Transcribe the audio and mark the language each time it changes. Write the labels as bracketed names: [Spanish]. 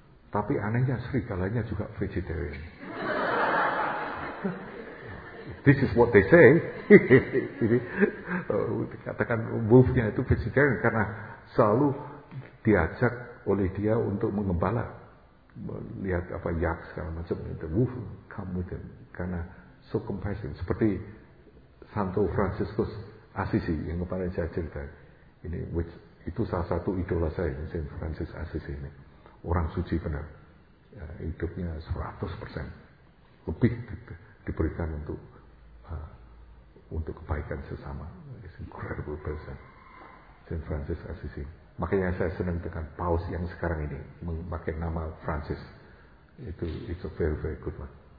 [Indonesian] Tapi anehnya serigalanya juga vegetarian. [English] This is what they say. [Indonesian] Jadi dikatakan wolf-nya itu vegetarian karena selalu diajak oleh dia untuk mengembala, melihat apa yak segala macam. [English] The wolf come with him [Indonesian] karena [English] so compassion. [Indonesian] Seperti Santo Franciscus Assisi yang kemarin saya cerita ini, [English] which [Indonesian] Itu salah satu idola saya, Saint Francis Assisi ini. Orang suci benar. Ya, hidupnya 100% lebih diberikan untuk kebaikan sesama. [English] It's incredible person, Saint Francis Assisi. [Indonesian] Makanya saya senang dengan paus yang sekarang ini memakai nama Francis. Itu [English] it's a very very good one.